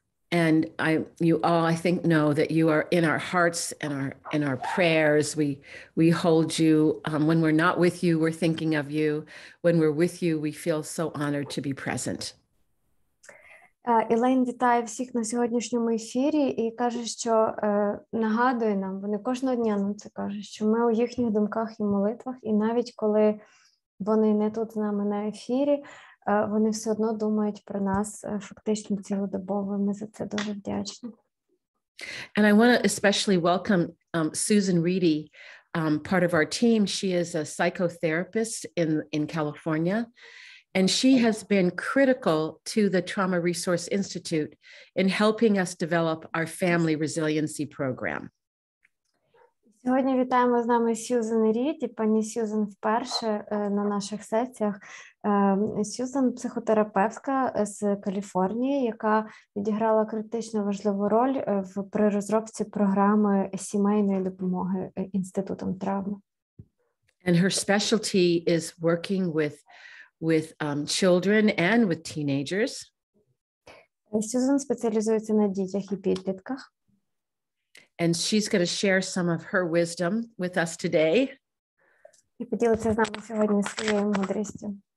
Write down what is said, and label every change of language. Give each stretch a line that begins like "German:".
English: And you all, I think, know that you are in our hearts and in our prayers. We hold you. When we're not with you, we're thinking of you. When we're with you, we feel so honored to be present.
Ukrainian: Елейн вітає всіх на сьогоднішньому ефірі і каже, що нагадує нам, вони кожного дня нам це кажуть, що ми у їхніх думках і молитвах, і навіть коли вони не тут з нами на ефірі, вони все одно думають про нас фактично цілодобово. Ми за це дуже вдячні.
English: And I want to especially welcome Susan Reedy, part of our team. She is a psychotherapist in California. And she has been critical to the Trauma Resource Institute in helping us develop our family resiliency program.
Ukrainian: Сьогодні вітаємо з нами Сьюзен Рід і пані Сьюзен вперше на наших сесіях. Сьюзен – психотерапевтка з Каліфорнії, яка відіграла критично важливу роль при розробці програми сімейної допомоги Інститутом травми.
English: And her specialty is working with children and with teenagers.
Ukrainian: Сьюзен спеціалізується на дітях і підлітках.
English: And she's going to share some of her wisdom with us today.
Ukrainian: І поділиться з нами сьогодні своєю мудрістю.